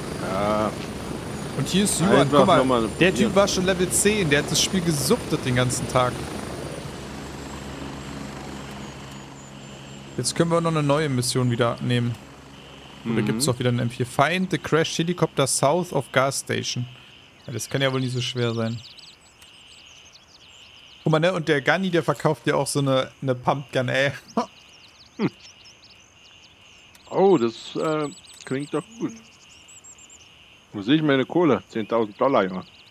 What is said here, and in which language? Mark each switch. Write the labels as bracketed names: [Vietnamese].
[German] Ja. Und hier ist Juan, guck mal, der Typ war schon Level 10, der hat das Spiel gesuchtet den ganzen Tag. Jetzt können wir noch eine neue Mission wieder nehmen. Und da gibt es auch wieder einen M4. [English] Find the crashed helicopter south of gas station. [German] Ja, das kann ja wohl nicht so schwer sein. Guck mal, ne, und der Gunny, der verkauft ja auch so eine Pumpgun, ey. Oh, das klingt doch gut. Wo sehe ich meine Kohle? $10,000, Junge.